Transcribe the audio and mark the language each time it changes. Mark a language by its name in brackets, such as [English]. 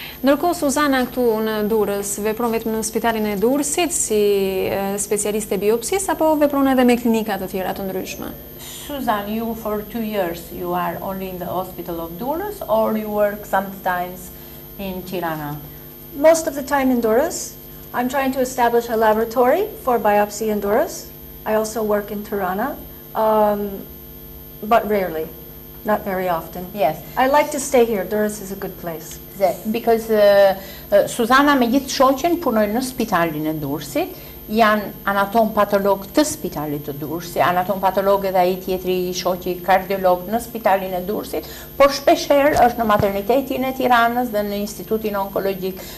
[Albanian] Ndërkohë, Suzana këtu në Durrës, vepron vetëm në spitalin e Durrësit si specialiste biopsis, apo vepron edhe me klinikat të tjera të ndryshme? [English] Suzanne, you for 2 years, you are only in the hospital of Durrës, or you work sometimes in Tirana? Most of the time in Durrës. I'm trying to establish a laboratory for biopsy in Durrës. I also work in Tirana, but rarely, not very often. Yes. I like to stay here. Durrës is a good place. [Albanian] Because Suzanna me gjithë shoqen punojnë në spitalin e Durrësit, janë anatom patolog të spitalit të Durrësit, anatom patolog edhe ai tjetri i shoqi kardiolog në spitalin e Durrësit, por shpeshherë është në maternitetin e Tiranës dhe në institutin onkologjik